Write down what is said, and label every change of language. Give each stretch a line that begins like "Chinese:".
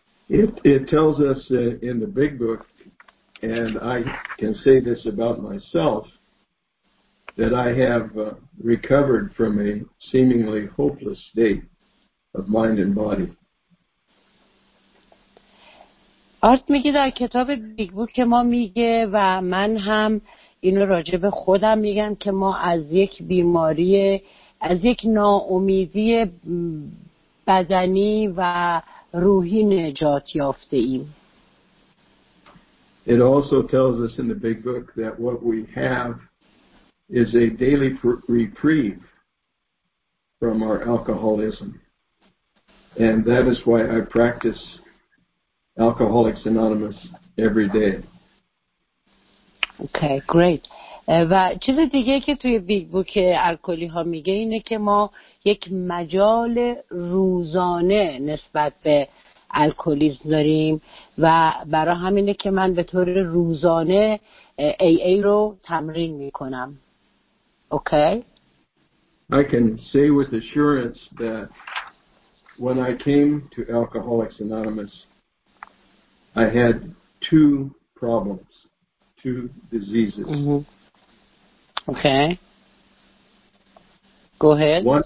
English: It tells us in the big book, and I can say this about myself, that I have recovered from a seemingly hopeless state of mind and body.
Persian: آرت میگه در کتاب بیگ بوک که ما میگه و من هم اینو راجع به خودم میگم که ما از یک بیماری، از یک ناامیدی بدنی و روحی نجات یافته ایم.
English: It also tells us in the big book that what we have is a daily reprieve from our alcoholism. And that is why I practice Alcoholics Anonymous every day. Okay, great.
Persian: و چیز دیگه که توی بیگ بوک الکلی ها میگه اینه که ما یک مجال روزانه نسبت به الکلیسم داریم و برای همینه که من به طور روزانه AA رو تمرین میکنم.
English: Okay. I can say with assurance that when I came to Alcoholics Anonymous I had two problems, two diseases. Mm-hmm. Okay. Go ahead.